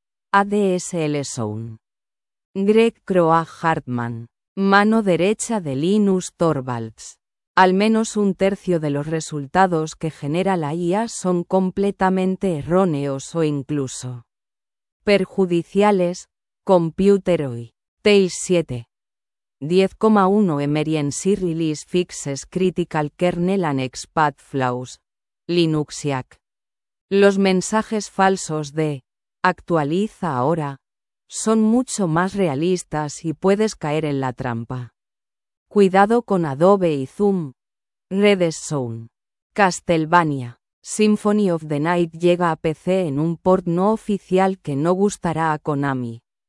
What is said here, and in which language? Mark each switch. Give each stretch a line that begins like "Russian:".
Spanish: ADSL Zone. Greg Croag Hartman. Mano derecha de Linus Torvalds. Al menos un tercio de los resultados que genera la IA son completamente erróneos o incluso perjudiciales. Computer Hoy. Tails 7.
English: 10.1 Emergency Release Fixes Critical Kernel and Expat Flaws. Linuxiac.
Spanish: Los mensajes falsos de actualiza ahora son mucho más realistas y puedes caer en la trampa. Cuidado con Adobe y Zoom. Redes Zone. Castlevania. Symphony of the Night llega a PC en un port no oficial que no gustará a Konami.